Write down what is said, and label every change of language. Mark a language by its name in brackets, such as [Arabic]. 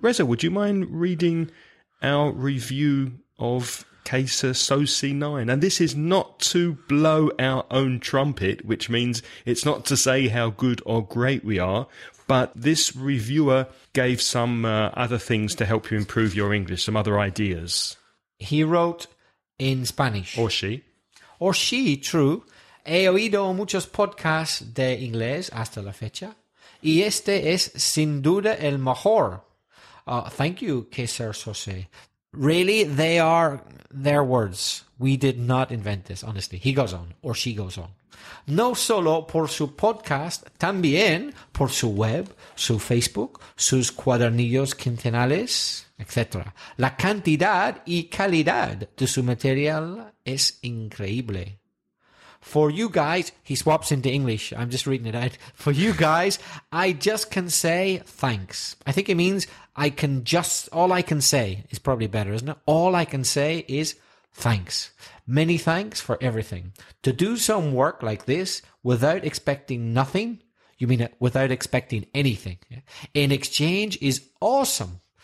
[English] Reza, would you mind reading our review of Kaysersosi9? And this is not to blow our own trumpet, which means it's not to say how good or great we are. But this reviewer gave some other things to help you improve your English, some other ideas. He wrote in Spanish. Or she. Or she, true. [Spanish] He oído muchos podcasts de inglés hasta la fecha. Y este es sin duda el mejor. [English] Thank you, Kaiser Sose. Really, they are their words. We did not invent this, honestly. He goes on, or she goes on. [Spanish] No solo por su podcast, también por su web, su Facebook, sus cuadernillos quincenales, etc. La cantidad y calidad de su material es increíble. [English] For you guys, he swaps into English. I'm just reading it out. For you guys, I just can say thanks. I think it means I can just, all I can say is probably better, isn't it? All I can say is thanks. Many thanks for everything. To do some work like this without expecting nothing, you mean without expecting anything, in exchange is awesome.